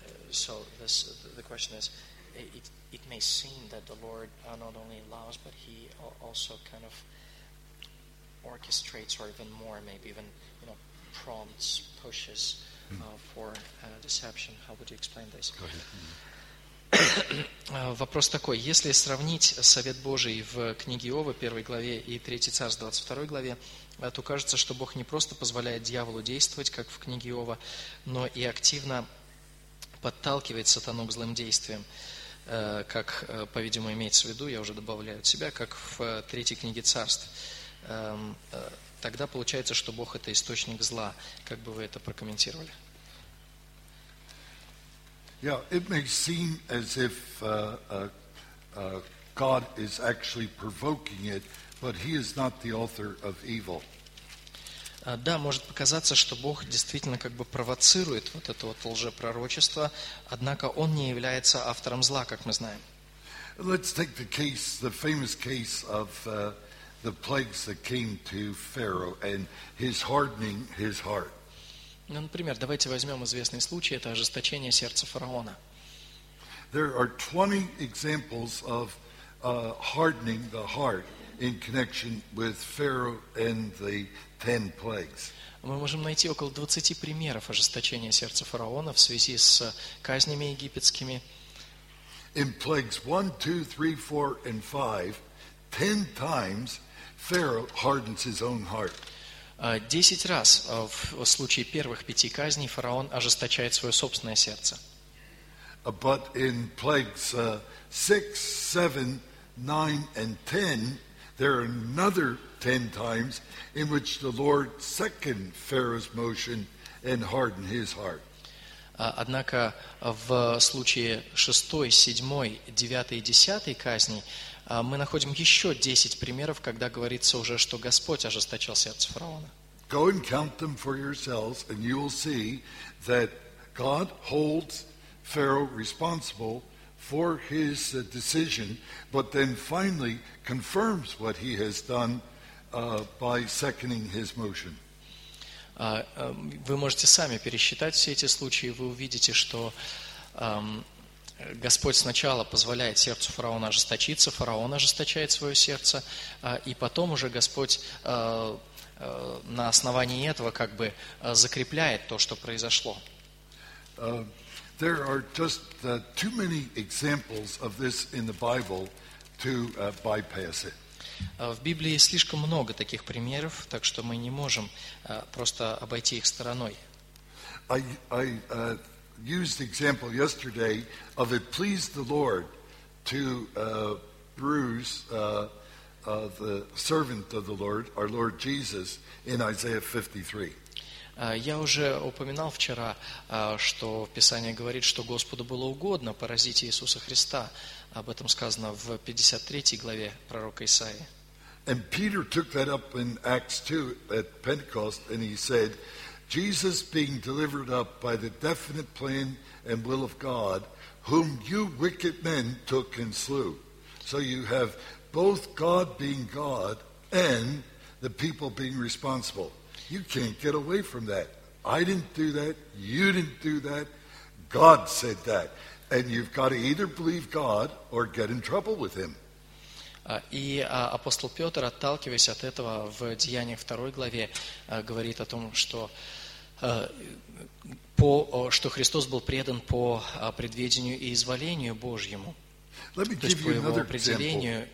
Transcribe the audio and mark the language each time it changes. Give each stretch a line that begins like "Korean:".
English: So the question is, it may seem that the Lord not only allows, but He also kind of orchestrates, or even more, maybe even prompts, pushes for deception. How would you explain this? Go ahead.
Russian: Вопрос такой. Если сравнить совет Божий в книге Иова, 1 главе, и 3 царств, 22 главе, то кажется, что Бог не просто позволяет дьяволу действовать, как в книге Иова, но и активно подталкивает сатану к злым действиям, как, по-видимому, имеется в виду, я уже добавляю от себя, как в 3 книге царств. Тогда получается, что Бог – это источник зла. Как бы вы это прокомментировали?
English: Yeah, it may seem as if God is actually provoking it, but He is not the author of evil.
Russian: Да, может показаться, что Бог действительно как бы провоцирует вот это вот лжепророчество, однако Он не является автором зла, как мы знаем.
English: Let's take the case, the famous case of the plagues that came to Pharaoh and his hardening his heart.
Russian: Ну, например, давайте возьмем известный случай, это ожесточение сердца фараона.
English: There are 20 examples of hardening the heart in connection with Pharaoh and the 10 plagues.
Russian: Мы можем найти около 20 примеров ожесточения сердца фараона в связи с казнями египетскими.
English: In plagues 1, 2, 3, 4, and 5, 10 times Pharaoh hardens his own heart.
Russian: 10 раз в случае первых 5 казней фараон ожесточает свое собственное сердце.
English: But in plagues 6, 7, 9, and 10, there are another 10 times in which the Lord second Pharaoh's motion and hardened his heart.
Russian: Однако в случае 6, 7, 9 и 10 казней мы находим еще 10 примеров, когда говорится уже, что Господь ожесточил сердце фараона.
English: Go and count them for yourselves, and you will see that God holds Pharaoh responsible for his decision, but then finally confirms what he has done by seconding his motion.
Russian: Вы можете сами пересчитать все эти случаи, вы увидите, что Господь сначала позволяет сердцу фараона ожесточиться, фараон ожесточает свое сердце, и потом уже Господь на основании этого как бы закрепляет то, что произошло.
English: There are just too many examples of this in the Bible to bypass it.
Russian: В Библии слишком много таких примеров, так что мы не можем просто обойти их стороной.
English: I used example yesterday of it pleased the Lord to bruise the servant of the Lord, our Lord Jesus, in Isaiah 53.
Russian: Я уже упоминал вчера, что Писание говорит, что Господу было угодно поразить Иисуса Христа. Об этом сказано в 53 главе пророка Исаии.
English: And Peter took that up in Acts 2 at Pentecost, and he said, Jesus being delivered up by the definite plan and will of God, whom you wicked men took and slew. So you have both God being God and the people being responsible. You can't get away from that. I didn't do that. You didn't do that. God said that. And you've got to either believe God or get in trouble with him.
Russian: И апостол Петр, отталкиваясь от этого, в Деяниях 2 главе говорит о том, что, по, что Христос был предан по предведению и изволению Божьему.
English: Let me
Russian: То есть по его определению.